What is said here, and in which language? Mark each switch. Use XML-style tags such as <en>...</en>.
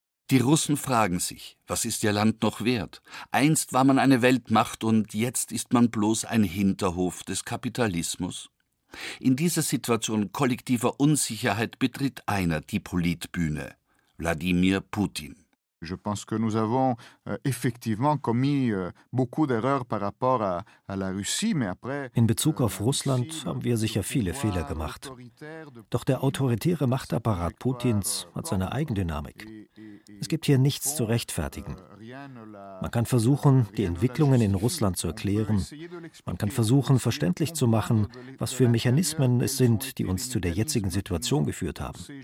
<de>Die Russen fragen sich, was ist ihr Land noch wert? Einst war man eine Weltmacht und jetzt ist man bloß ein Hinterhof des Kapitalismus. In dieser Situation kollektiver Unsicherheit betritt einer die Politbühne, Wladimir Putin.</de> <fr>Je pense que nous avons effectivement commis beaucoup d'erreurs par rapport à la Russie, mais après.</fr> <de>In Bezug auf Russland haben wir sicher viele Fehler gemacht. Doch der autoritäre Machtapparat Putins hat seine Eigendynamik. Es gibt hier nichts zu rechtfertigen. Man kann versuchen, die Entwicklungen in Russland zu erklären. Man kann versuchen, verständlich zu machen, was für Mechanismen es sind, die uns zu der jetzigen Situation geführt haben.</de>